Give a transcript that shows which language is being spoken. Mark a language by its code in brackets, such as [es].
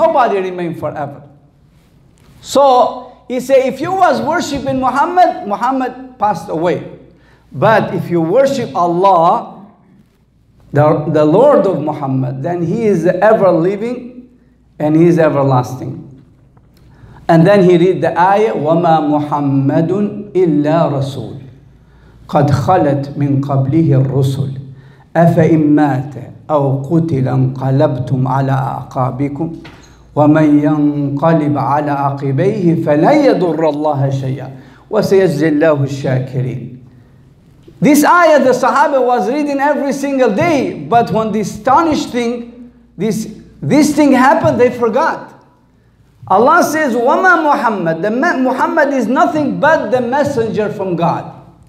[en] Nobody remain forever. So he said, if you was worshiping Muhammad, Muhammad passed away. But if you worship Allah, the Lord of Muhammad, then he is ever living and he is everlasting. And then he read the ayah, [ar] وَمَا مُحَمَّدٌ إِلَّا رَسُولٌ قَدْ خَلَتْ مِنْ قَبْلِهِ الرُّسُلُ أَفَإِن مَاتَ أَوْ قُتِلَ انْقَلَبْتُمْ عَلَىٰ أَعْقَابِكُمْ وَمَنْ يَنْقَلِبْ عَلَىٰ عَقِبَيْهِ فَلَنْ يَضُرَّ اللَّهَ شَيْئًا وَسَيَجْزِي اللَّهُ الشَّاكِرِينَ. [en] This ayah the Sahaba was reading every single day, but when the astonished thing, this thing happened, they forgot. Allah says, [ar] وَمَا مُحَمَّدٌ. [en] The Muhammad is nothing but the messenger from God.